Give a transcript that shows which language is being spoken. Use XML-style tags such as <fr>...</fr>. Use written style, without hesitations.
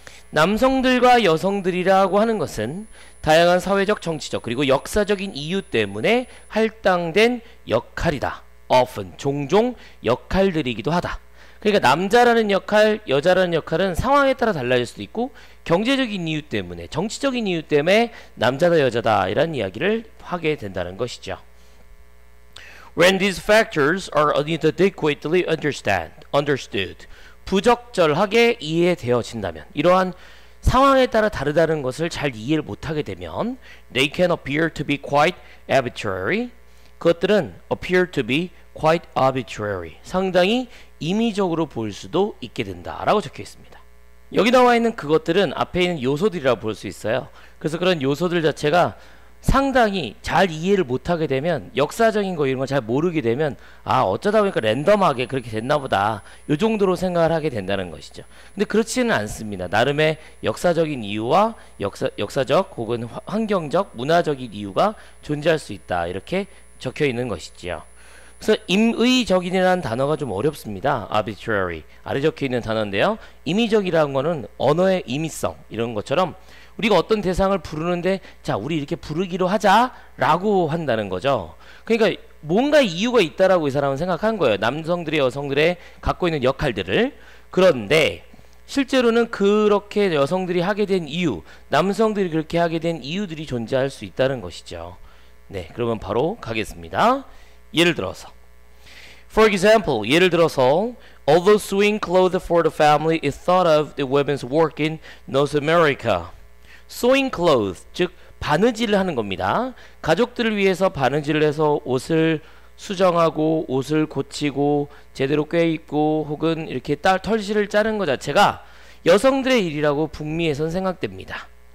<ko>남성들과 여성들이라고 하는 것은 다양한 사회적, 정치적, 그리고 역사적인 이유 때문에 할당된 역할이다. often, 종종 역할들이기도 하다. 그러니까 남자라는 역할, 여자라는 역할은 상황에 따라 달라질 수도 있고, 경제적인 이유 때문에, 정치적인 이유 때문에 남자다, 여자다, 이런 이야기를 하게 된다는 것이죠.</ko> <en>When these factors are inadequately understood,</en> <ko>부적절하게 이해되어진다면, 이러한 상황에 따라 다르다는 것을 잘 이해를 못하게 되면</ko> <en>they can appear to be quite arbitrary.</en> <ko>그것들은</ko> <en>appear to be quite arbitrary.</en> <ko>상당히 임의적으로 보일 수도 있게 된다라고 적혀 있습니다. 여기 나와 있는 그것들은 앞에 있는 요소들이라고 볼수 있어요. 그래서 그런 요소들 자체가 상당히 잘 이해를 못하게 되면 역사적인 거 이런 거잘 모르게 되면 아 어쩌다 보니까 랜덤하게 그렇게 됐나 보다 요 정도로 생각을 하게 된다는 것이죠. 근데 그렇지는 않습니다. 나름의 역사적인 이유와 역사적 혹은 환경적 문화적인 이유가 존재할 수 있다 이렇게 적혀 있는 것이지요. 그래서 임의적인이라는 단어가 좀 어렵습니다. arbitrary 아래 적혀 있는 단어인데요. 임의적이라는 거는 언어의 임의성 이런 것처럼 우리가 어떤 대상을 부르는데, 자, 우리 이렇게 부르기로 하자라고 한다는 거죠. 그러니까 뭔가 이유가 있다라고 이 사람은 생각한 거예요. 남성들이 여성들의 갖고 있는 역할들을. 그런데 실제로는 그렇게 여성들이 하게 된 이유, 남성들이 그렇게 하게 된 이유들이 존재할 수 있다는 것이죠. 네, 그러면 바로 가겠습니다. 예를 들어서.</ko> <en>For example,</en> <ko>예를 들어서,</ko> <en>although sewing clothes for the family is thought of the women's work in North America. Sewing clothes,</en> <ko>즉 바느질을 하는 겁니다. 가족들을 위해서 바느질을 해서 옷을 수정하고 옷을 고치고 제대로 꿰 입고 혹은 이렇게 털실을 짜는 것 자체가 여성들의 일이라고 북미에선 생각됩니다.</ko>